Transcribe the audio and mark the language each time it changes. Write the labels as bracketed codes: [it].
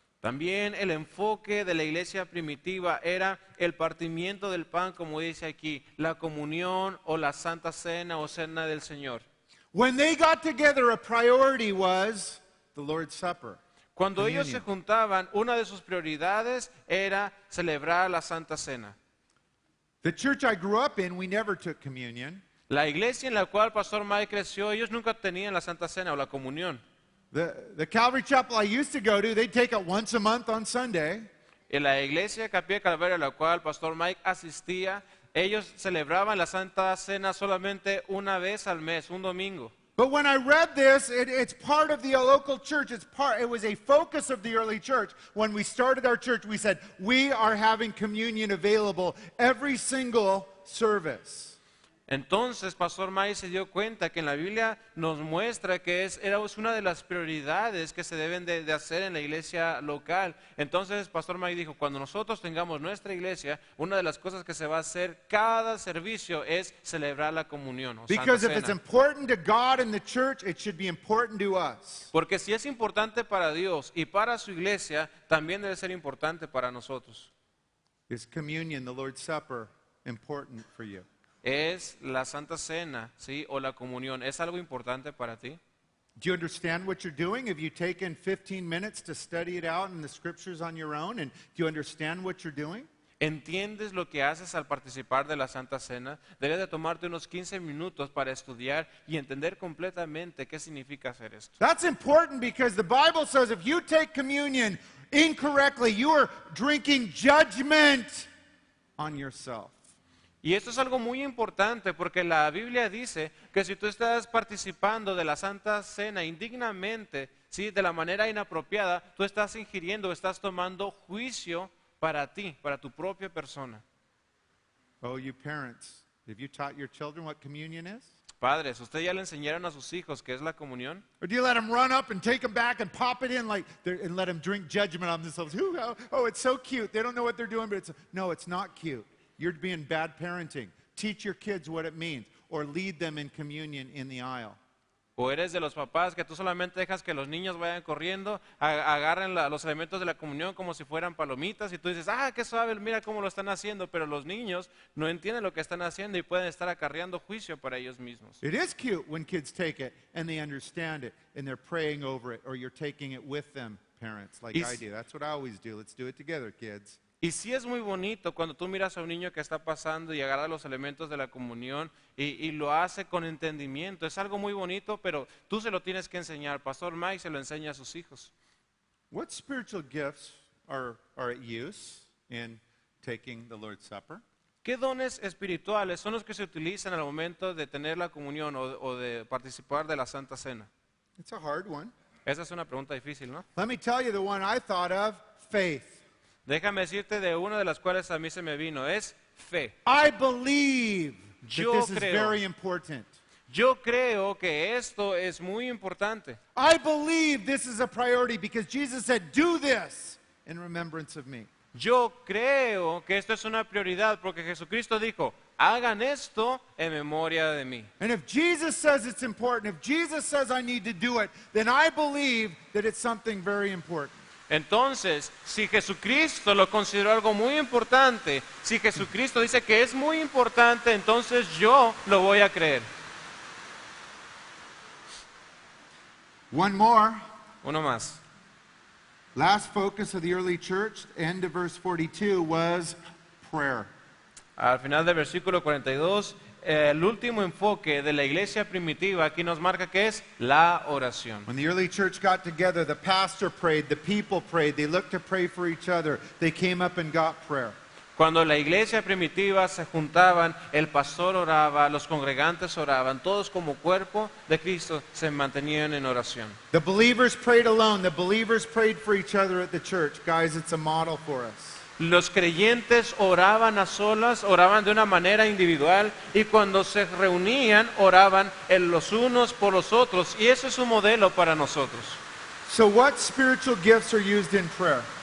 [es] También el enfoque de la iglesia primitiva era el partimiento del pan, como dice aquí, la comunión o la santa cena o cena del Señor. [en] When they got together, a priority was the Lord's Supper. [es] Cuando ellos se juntaban, una de sus prioridades era celebrar la Santa Cena. [en] The church I grew up in, we never took communion. [es] La iglesia en la cual Pastor Mike creció, ellos nunca tenían la Santa Cena o la comunión. [en] The Calvary Chapel I used to go to, they take it once a month on Sunday. [es] En la iglesia Capilla Calvario a la cual Pastor Mike asistía, ellos celebraban la Santa Cena solamente una vez al mes, un domingo. [en] But when I read this, it's part of the local church. It was a focus of the early church. When we started our church, we said, we are having communion available every single service. [es] Entonces, Pastor May se dio cuenta que en la Biblia nos muestra que es una de las prioridades que se deben de hacer en la iglesia local. Entonces, Pastor May dijo, cuando nosotros tengamos nuestra iglesia, una de las cosas que se va a hacer cada servicio es celebrar la comunión. [en] Because [es] Santa [en] if it's important to God and the church, it should be important to us. [es] Porque si es importante para Dios y para su iglesia, también debe ser importante para nosotros. [en] Is communion, the Lord's Supper, important for you? [es] ¿Es la Santa Cena, sí, o la comunión, es algo importante para ti? [en] Do you understand what you're doing? Have you taken 15 minutes to study it out in the scriptures on your own? And do you understand what you're doing? [es] ¿Entiendes lo que haces al participar de la Santa Cena? Debes de tomarte unos 15 minutos para estudiar y entender completamente qué significa hacer esto. [en] That's important because the Bible says if you take communion incorrectly, you are drinking judgment on yourself. [es] Y esto es algo muy importante porque la Biblia dice que si tú estás participando de la Santa Cena indignamente, ¿sí?, de la manera inapropiada, tú estás ingiriendo, estás tomando juicio para ti, para tu propia persona. [en] Oh, you parents, have you taught your children what communion is? [es] Padres, ¿usted ya le enseñaron a sus hijos qué es la comunión? [en] Or do you let them run up and take them back and pop it in like and let them drink judgment on themselves? Oh, it's so cute. They don't know what they're doing, but it's not cute. You're being bad parenting. Teach your kids what it means, or lead them in communion in the aisle. [es] O eres de los papás que tú solamente dejas que los niños vayan corriendo, agarren los elementos de la comunión como si fueran palomitas, y tú dices, ah, qué suave, mira cómo lo están haciendo, pero los niños no entienden lo que están haciendo y pueden estar acarreando juicio para ellos mismos. [en] It is cute when kids take it and they understand it and they're praying over it, or you're taking it with them, parents, like I do. That's what I always do. Let's do it together, kids. [es] Y sí es muy bonito cuando tú miras a un niño que está pasando y agarra los elementos de la comunión y lo hace con entendimiento. Es algo muy bonito, pero tú se lo tienes que enseñar. Pastor Mike se lo enseña a sus hijos. [en] What spiritual gifts are at use in taking the Lord's Supper? [es] ¿Qué dones espirituales son los que se utilizan al momento de tener la comunión o de participar de la Santa Cena? [en] It's a hard one. [es] Esa es una pregunta difícil, ¿no? [en] Let me tell you the one I thought of, faith. [es] Déjame decirte de una de las cuales a mí se me vino, es fe. [en] I believe that this is very important. [es] Yo creo que esto es muy importante. [en] I believe this is a priority because Jesus said, do this in remembrance of me. [es] Yo creo que esto es una prioridad porque Jesucristo dijo, hagan esto en memoria de mí. [en] And if Jesus says it's important, if Jesus says I need to do it, then I believe that it's something very important. [es] Entonces, si Jesucristo lo consideró algo muy importante, si Jesucristo dice que es muy importante, entonces yo lo voy a creer. [en] One more. [es] Uno más. [en] Last focus of the early church, end of verse 42, was prayer. [es] Al final del versículo 42, el último enfoque de la iglesia primitiva aquí nos marca que es la oración. [en] When the early church got together, the pastor prayed, the people prayed, they looked to pray for each other, they came up and got prayer. [es] Cuando la iglesia primitiva se juntaban, el pastor oraba, los congregantes oraban, todos como cuerpo de Cristo se mantenían en oración. [en] The believers prayed alone, the believers prayed for each other at the church. Guys, it's a model for us. [es] Los creyentes oraban a solas, oraban de una manera individual, y cuando se reunían, oraban los unos por los otros, y eso es un modelo para nosotros. [en] So what spiritual gifts are used in prayer?